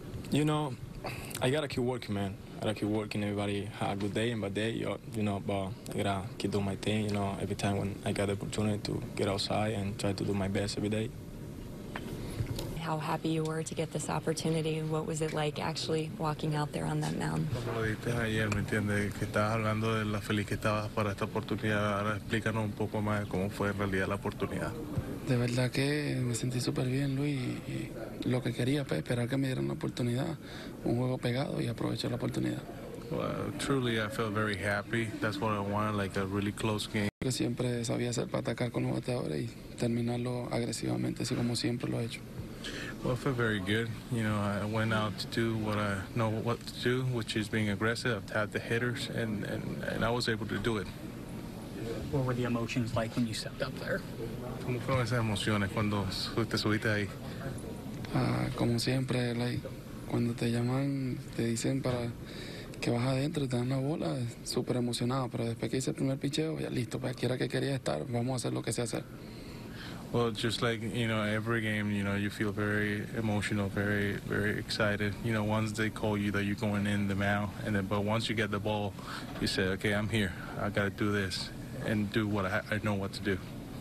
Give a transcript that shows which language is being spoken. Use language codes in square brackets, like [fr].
[en] You know, I got to keep working, man. I keep working, everybody have a good day and bad day, you know, but I gotta keep doing my thing, you know, every time when I got the opportunity to get outside and try to do my best every day. How happy you were to get this opportunity, and what was it like actually walking out there on that mound? [es] Como lo dijiste ayer, ¿me entiendes? Que estabas hablando de la feliz que estabas para esta oportunidad. Ahora explícanos un poco más cómo fue en realidad la oportunidad. De verdad que me sentí súper bien, Luis. Y lo que quería fue esperar que me dieran la oportunidad, un juego pegado, y aprovechar la oportunidad. [en] Well, truly, I felt very happy. That's what I wanted, like a really close game. [es] Yo siempre sabía hacer para atacar con los bateadores y terminarlo agresivamente, así como siempre lo he hecho. [en] Well, I feel very good. You know, I went out to do what I know what to do, which is being aggressive. I've had the hitters, and I was able to do it. What were the emotions like when you stepped up there? [es] ¿Cómo fueron esas emociones cuando te subiste ahí? Como siempre, like, cuando te llaman, te dicen para que vas adentro y te dan la bola, súper emocionado. Pero después que hice el primer picheo, ya listo, para quiera que quería estar, vamos a hacer lo que sé hacer. [en] Well, just like, you know, every game, you know, you feel very emotional, very, very excited. You know, once they call you that you're going in the mound, and then, but once you get the ball, you say, okay, I'm here. I got to do this and do what I know what to do.